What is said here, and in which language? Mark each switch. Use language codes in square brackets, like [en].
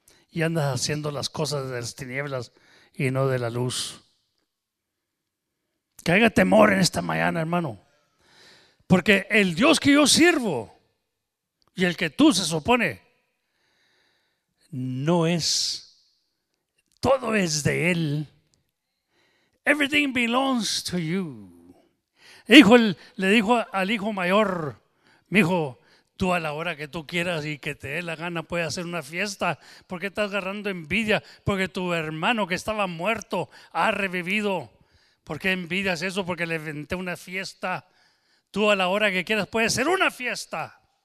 [es] Y andas haciendo las cosas de las tinieblas y no de la luz. Que haya temor en esta mañana, hermano. Porque el Dios que yo sirvo y el que tú se supone, no es, todo es de Él. [en] Everything belongs to you. [es] Hijo, le dijo al hijo mayor, mi hijo, tú a la hora que tú quieras y que te dé la gana puedes hacer una fiesta. ¿Por qué estás agarrando envidia? Porque tu hermano que estaba muerto ha revivido. ¿Por qué envidias eso? Porque le inventé una fiesta. Tú a la hora que quieras puedes hacer una fiesta.